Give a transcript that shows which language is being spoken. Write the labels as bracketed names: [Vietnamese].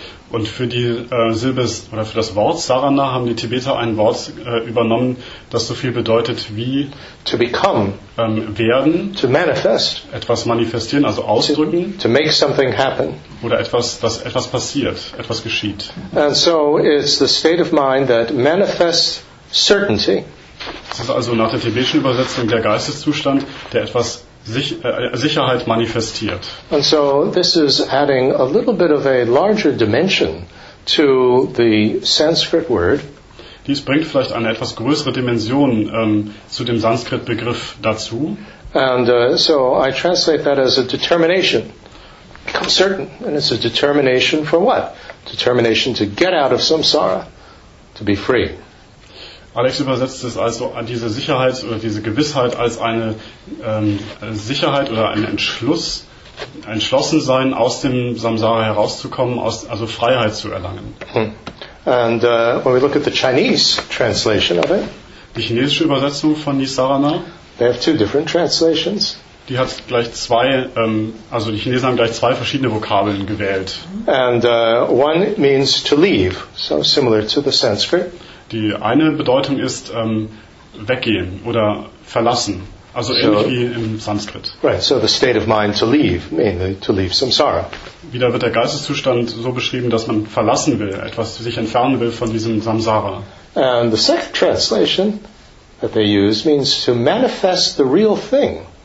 [German] Und für die Silbe oder für das Wort sarana haben die Tibeter ein Wort übernommen, das so viel bedeutet wie [English] to become, [German] werden, [English] to manifest, [German] etwas manifestieren, also ausdrücken, [English] to make something happen, [German] oder etwas, dass etwas passiert, etwas geschieht. [English] And so it's the state of mind that manifests certainty. [German] Es ist also nach der tibetischen Übersetzung der Geisteszustand, der etwas Sicherheit manifestiert. [English] And so this is adding a little bit of a larger dimension to the Sanskrit word. [German] Dies bringt vielleicht eine etwas größere Dimension zu dem Sanskrit-Begriff dazu. [English] And so I translate that as a determination. Become certain. And it's a determination for what? Determination to get out of samsara, to be free. [German] Alex übersetzt es also diese Sicherheit oder diese Gewissheit als eine Sicherheit oder einen Entschluss, entschlossen sein, aus dem Samsara herauszukommen, also Freiheit zu erlangen. [English] And when we look at the Chinese translation of it, [German] die chinesische Übersetzung von Nisarana, [English] they have two different translations. [German] Die hat gleich zwei, also die Chinesen haben gleich zwei verschiedene Vokabeln gewählt. [English] And one means to leave, so similar to the Sanskrit. [German] Die eine Bedeutung ist weggehen oder verlassen, also so, ähnlich wie im Sanskrit. [English] Right, so the state of mind to leave, mainly to leave samsara. [German] Wieder wird der Geisteszustand so beschrieben, dass man verlassen will, etwas sich entfernen will von diesem Samsara. [English] And the second translation that they use means to manifest the real thing.